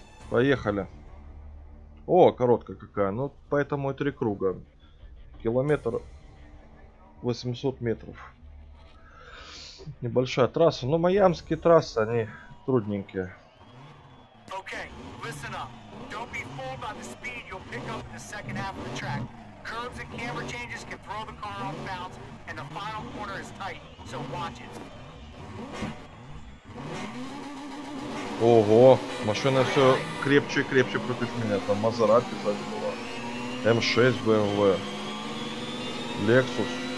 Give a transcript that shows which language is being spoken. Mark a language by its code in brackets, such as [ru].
[ru] Поехали. О, короткая какая. Ну, поэтому и три круга. Километр 800 метров. Небольшая трасса. Ну, майамские трассы, они... трудненькие. [en] Okay, listen up. Don't be fooled by the speed you'll pick up in the second half of the track. Curves and camber changes can throw the car off balance, and the final corner is tight, so watch it. [ru] Ого, машина все крепче и крепче против меня. Там Мазерати даже была. М6, БМВ. Лексус.